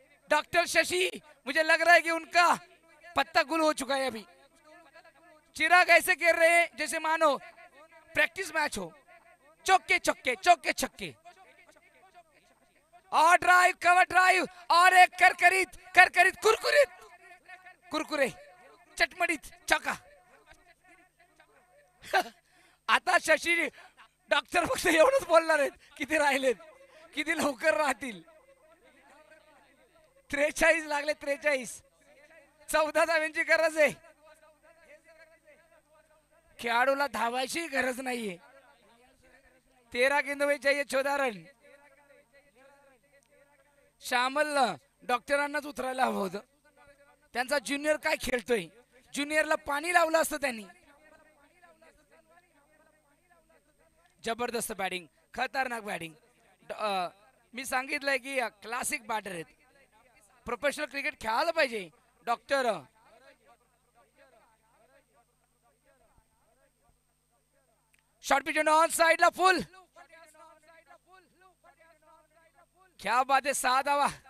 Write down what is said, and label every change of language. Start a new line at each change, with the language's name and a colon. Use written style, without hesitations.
Hindi: Doctor Shashi मुझे लग रहा है कि उनका पत्ता गुल हो चुका है अभी, चिराग ऐसे कह रहे हैं जैसे मानो प्रैक्टिस मैच हो, चौके छक्के चौके छक्के, और ड्राइव कवर ड्राइव और एक करकरित कुरकुरित कुरकुरे चटमड़ित चौका।
Marathi: आता शशि डॉक्टर फक्त एवढंच बोलणार आहेत, किती राहिलेत किती लवकर राहतील, 43 लागले 43, 14 धावांची गरज आहे, खेळाडूला धावायची गरज नाहीये, तेरा गेंद व्हायचे 14 रन। श्यामल डॉक्टरांनाच उतरायला हवं होतं, त्यांचा ज्युनियर काय खेळतोय, ज्युनियरला पाणी लावलं असतं त्यांनी। जबरदस्त बॅटिंग, खतरनाक बॅटिंग। मी सांगितलंय की क्लासिक बॅटर आहेत, प्रोफेशनल क्रिकेट खेळायला पाहिजे doctor. Short pitch on side ला फुल,
Hindi: क्या बात है,
Marathi: सहा धावा।